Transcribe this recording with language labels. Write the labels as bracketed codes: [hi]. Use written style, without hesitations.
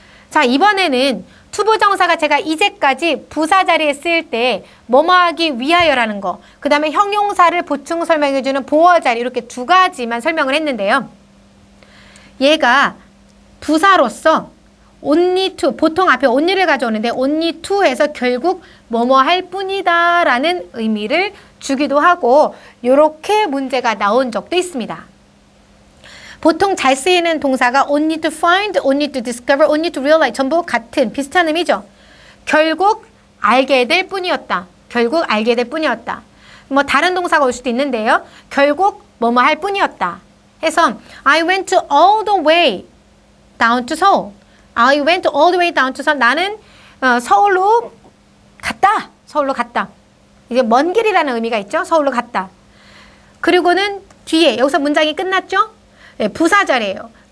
[ko] 자 이번에는 투부정사가 제가 이제까지 부사 자리에 쓰일 때 뭐뭐 하기 위하여라는 거 그 다음에 형용사를 보충 설명해주는 보어 자리 이렇게 두 가지만 설명을 했는데요. 얘가 부사로서 only to 보통 앞에 only를 가져오는데 only to 해서 결국 뭐뭐 할 뿐이다 라는 의미를 주기도 하고 이렇게 문제가 나온 적도 있습니다. 보통 잘 쓰이는 동사가 [en] only to find, only to discover, only to realize [ko] 전부 같은 비슷한 의미죠. 결국 알게 될 뿐이었다. 결국 알게 될 뿐이었다. 뭐 다른 동사가 올 수도 있는데요. 결국 뭐뭐 할 뿐이었다 해서 [en] I went all the way down to Seoul. I went all the way down to Seoul. [ko] 나는 서울로 갔다. 서울로 갔다. 이제 먼 길이라는 의미가 있죠. 서울로 갔다. 그리고는 뒤에 여기서 문장이 끝났죠. 예, 부사자리예요.